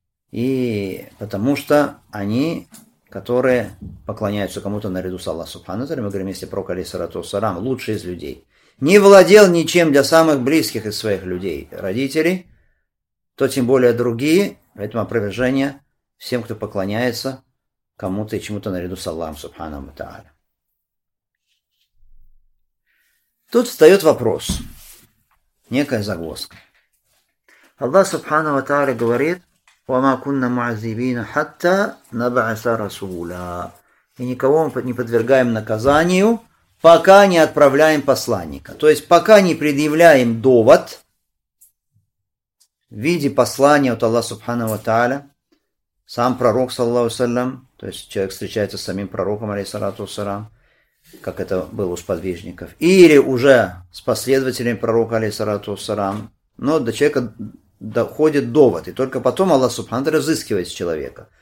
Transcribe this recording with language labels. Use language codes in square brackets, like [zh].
[ru] И потому что они, которые поклоняются кому-то наряду с Аллахом Субхану ва Тааля, мы говорим, если пророк, алейхиссалям, лучший из людей, не владел ничем для самых близких из своих людей, родителей, то тем более другие, поэтому опровержение всем, кто поклоняется кому-то и чему-то наряду с Аллахом Субхану ва Тааля. Тут встает вопрос, некая загвоздка. Аллах Субхану ва Тааля говорит, [ar] وَمَا كُنَّ مُعَذِّبِينَ حَتَّى نَبْعَثَ رَسُولًا. [ru] И никого мы не подвергаем наказанию, пока не отправляем посланника. То есть, пока не предъявляем довод в виде послания от Аллаха Субхана ва Тааля, сам пророк, саллаху салям, то есть, человек встречается с самим пророком, алейхиссалату салям, как это было у сподвижников, или уже с последователями пророка, алейхиссалату салям, но до человека доходит довод, и только потом Аллах Субхану ва Тааля взыскивает с человека.